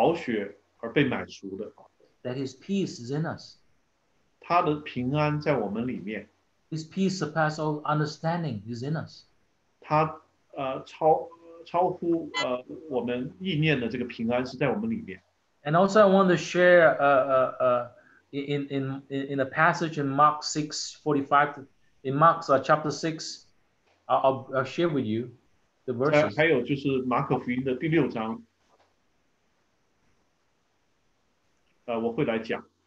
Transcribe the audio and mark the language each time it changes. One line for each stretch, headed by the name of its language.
Chinese: 我们是因着他的宝血而被买赎的。
English: That his peace is in us.
Chinese: 他的平安在我们里面。
English: His peace surpasses all understanding is in us.
Chinese: 他超乎我们意念的这个平安是在我们里面。
English: And also I want to share in a passage in Mark 6, 45, in Mark chapter 6, I'll share with you the verses.
Chinese: 还有就是马可福音的第六章, 我会来讲。